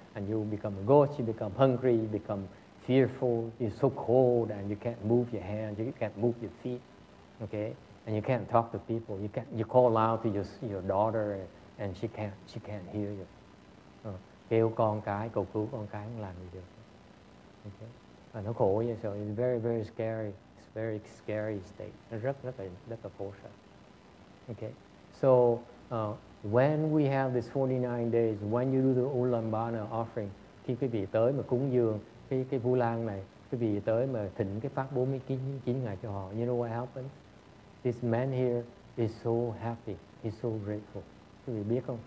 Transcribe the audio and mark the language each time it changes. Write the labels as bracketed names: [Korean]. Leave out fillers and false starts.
[English] And you become a ghost, you become hungry, you become fearful, it's so cold, and you can't move your hands, you can't move your feet, okay? And you can't talk to people. You call out to your daughter, and she can't hear you. [Vietnamese] Kêu con cái, cầu cứu con cái không làm gì được. [English] Okay? [Vietnamese] Và nó khổ vậy, [English] so it's very, very scary. It's very scary state. [Vietnamese] Nó rất là khổ sở. [English] Okay? So, when we have this 49 days, when you do the Ulambana offering, [Vietnamese] khi quý vị tới mà cúng dường, cái vu lan này, quý vị tới mà thỉnh cái pháp 49 ngày cho họ, [English] you know what happened? This man here is so happy. He's so grateful. [Vietnamese] Quý vị biết không?